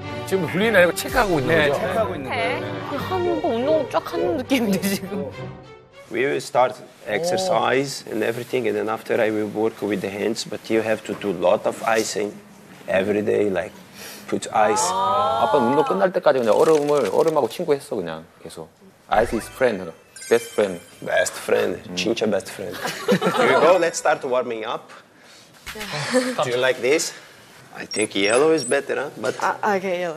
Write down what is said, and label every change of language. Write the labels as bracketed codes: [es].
[ko] 지금 훈련 아니고 체크하고 있는 거죠? 네, 체크하고 있는 거예요. 한 번 운동 쫙 하는 느낌인데 지금. [en] We will start exercise and everything, and then after I will work with the hands. But you have to do a lot of icing every day, like put ice. [ko] 아빠 운동 끝날 때까지 그냥 얼음하고 친구했어 그냥 계속. [en] Ice is friend, best friend. Best friend, 진짜 best friend. Here we go. Let's start warming up. Yeah. Do you like this? I think yellow is better, huh? But okay, yellow.